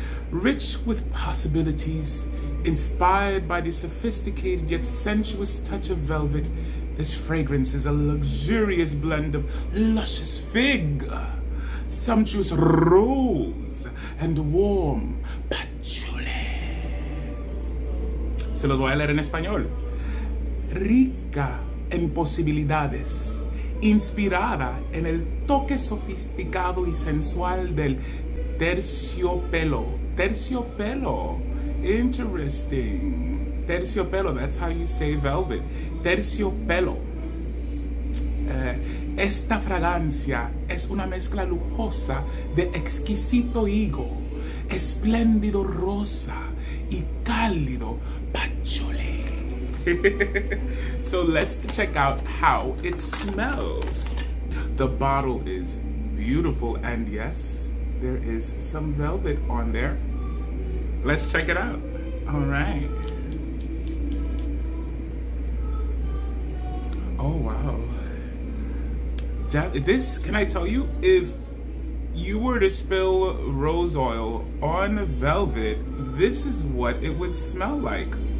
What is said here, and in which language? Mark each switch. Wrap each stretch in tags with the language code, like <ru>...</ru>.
<en>Rich with possibilities, inspired by the sophisticated yet sensuous touch of velvet, this fragrance is a luxurious blend of luscious fig, sumptuous rose, and warm patchouli.</en> <es>Se los voy a leer en español. Rica en posibilidades, inspirada en el toque sofisticado y sensual del terciopelo.</es> <en>Terciopelo, interesting. Terciopelo, that's how you say velvet. Terciopelo.</en> <es>Esta fragancia es una mezcla lujosa de exquisito higo, espléndido rosa y cálido patchouli.</es> <en>So let's check out how it smells. The bottle is beautiful, and yes, there is some velvet on there. Let's check it out. All right. Oh, wow. This, can I tell you, if you were to spill rose oil on velvet, this is what it would smell like.</en>